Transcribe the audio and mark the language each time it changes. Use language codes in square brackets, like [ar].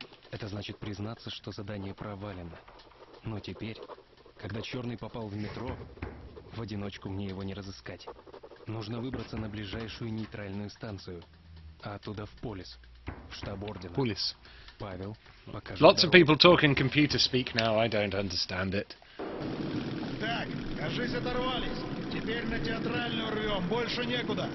[ru] Это значит признаться, что задание провалено. Но теперь, когда черный попал в метро, в одиночку мне его не разыскать. Нужно выбраться на ближайшую нейтральную станцию, а оттуда в полис, в штаб ордена. Полис. Павел, покажи. [en] Lots of people talking computer speak now, I don't understand it. [ru] Так, кажись, оторвались. Теперь на театральную рвем, больше некуда.